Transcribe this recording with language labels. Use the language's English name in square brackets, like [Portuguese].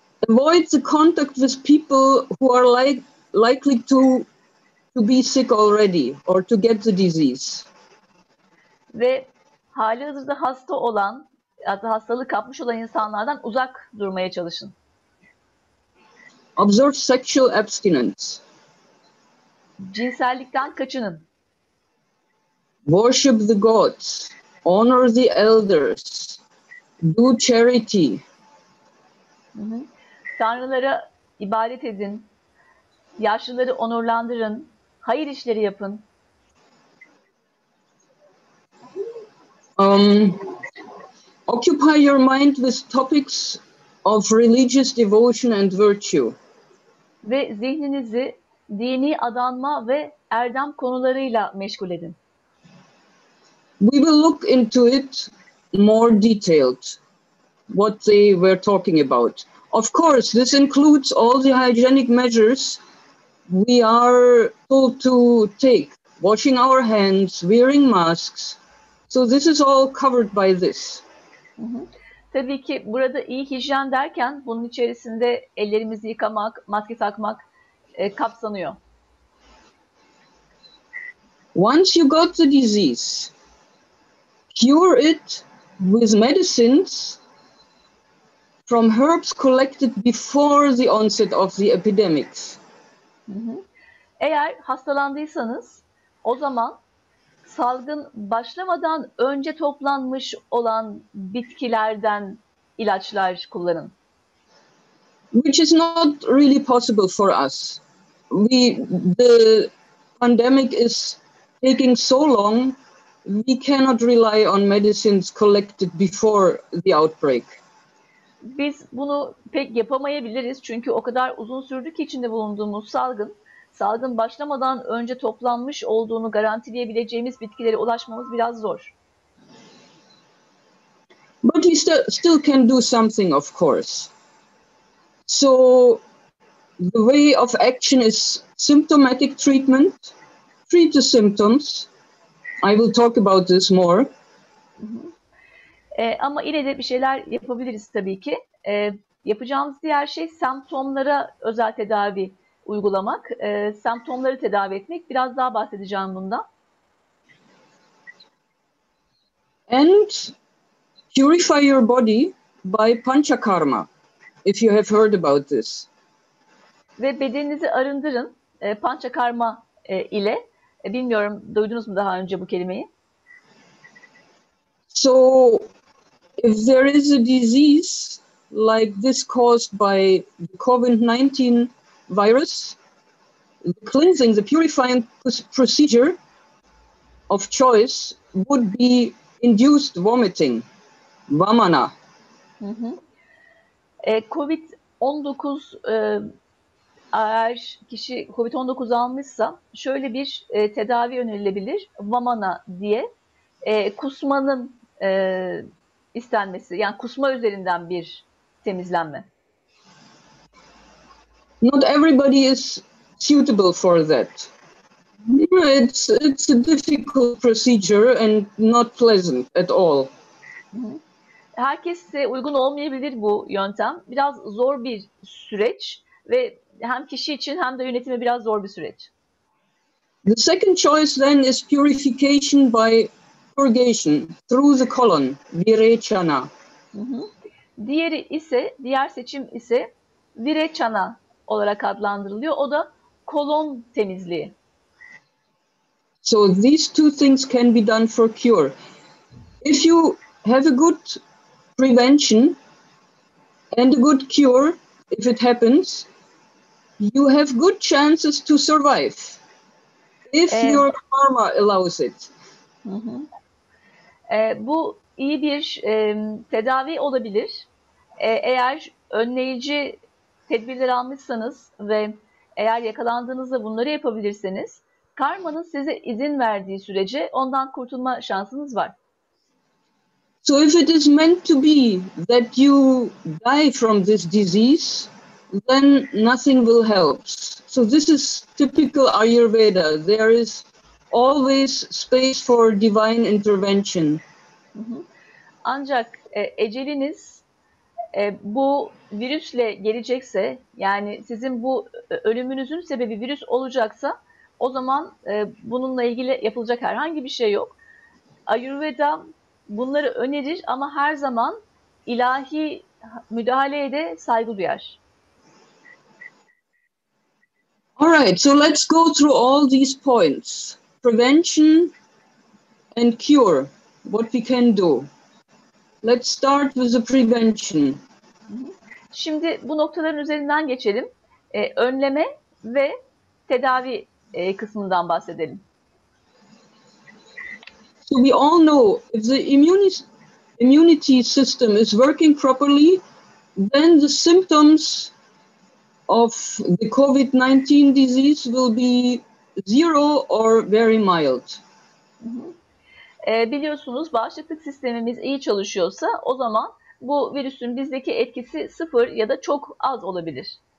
[English] Avoid the contact with people who are likely to be sick already or to get the disease. [Turkish] Ve hali hazırda hasta olan, hastalığı kapmış olan insanlardan uzak durmaya çalışın. [English] Observe sexual abstinence. [Turkish] Cinsellikten kaçının. [English] Worship the gods. Honor the elders. Do charity. [Turkish] Tanrılara ibadet edin. Yaşlıları onurlandırın. Hayır işleri yapın. [English] Occupy your mind with topics of religious devotion and virtue. [Turkish] Ve zihninizi dini adanma ve erdem konularıyla meşgul edin. [English] We will look into it more detailed, what they were talking about. Of course, this includes all the hygienic measures we are told to take, washing our hands, wearing masks. So this is all covered by this. [Turkish] Tabii ki burada iyi hijyen derken bunun içerisinde ellerimizi yıkamak, maske takmak kapsanıyor. [English] Once you got the disease, cure it with medicines from herbs collected before the onset of the epidemic. [Turkish] Eğer hastalandıysanız, o zaman salgın başlamadan önce toplanmış olan bitkilerden ilaçlar kullanın. [English] Which is not really possible for us. The pandemic is taking so long, we cannot rely on medicines collected before the outbreak. [Turkish] Biz bunu pek yapamayabiliriz çünkü o kadar uzun sürdü ki içinde bulunduğumuz salgın. Salgın başlamadan önce toplanmış olduğunu garantileyebileceğimiz bitkilere ulaşmamız biraz zor. [English] But we still can do something, of course. So the way of action is symptomatic treatment, treat the symptoms. I will talk about this more. [Turkish] Ama yine de bir şeyler yapabiliriz tabii ki. Yapacağımız diğer şey semptomlara özel tedavi uygulamak, semptomları tedavi etmek. Biraz daha bahsedeceğim bundan. [English] And purify your body by panchakarma, if you have heard about this. [Turkish] Ve bedeninizi arındırın panchakarma ile. Bilmiyorum, duydunuz mu daha önce bu kelimeyi? [English] So, if there is a disease like this caused by the COVID-19 virus, the cleansing, the purifying procedure of choice would be induced vomiting, vamana. [Turkish] COVID-19 eğer kişi COVID-19 almışsa şöyle bir tedavi önerilebilir, vamana diye kusmanın istenmesi, yani kusma üzerinden bir temizlenme. [English] Not everybody is suitable for that. It's a difficult procedure and not pleasant at all. [Turkish] Herkese uygun olmayabilir bu yöntem. Biraz zor bir süreç ve hem kişi için hem de yönetime biraz zor bir süreç. [English] The second choice then is purification by purgation through the colon, virechana. [Turkish] Diğer seçim ise virechana olarak adlandırılıyor. O da kolon temizliği. [English] So these two things can be done for cure. If you have a good prevention and a good cure, if it happens, you have good chances to survive if your karma allows it. [Turkish] Bu iyi bir tedavi olabilir. Eğer önleyici tedbirler almışsanız ve eğer yakalandığınızda bunları yapabilirseniz, karmanın size izin verdiği sürece ondan kurtulma şansınız var. [English] So if it is meant to be that you die from this disease, then nothing will help. So this is typical Ayurveda. There is always space for divine intervention. [Turkish] Ancak eceliniz bu virüsle gelecekse, yani sizin bu ölümünüzün sebebi virüs olacaksa, o zaman bununla ilgili yapılacak herhangi bir şey yok. Ayurveda bunları önerir ama her zaman ilahi müdahaleye de saygı duyar. [English] All right, so let's go through all these points. Prevention and cure, what we can do. Let's start with the prevention. [Turkish] Şimdi bu noktaların üzerinden geçelim. Önleme ve tedavi kısmından bahsedelim. [English] So we all know if the immunity system is working properly, then the symptoms of the COVID-19 disease will be zero or very mild. [Turkish] Biliyorsunuz bağışıklık sistemimiz iyi çalışıyorsa o zaman bu virüsün bizdeki etkisi sıfır ya da çok az olabilir.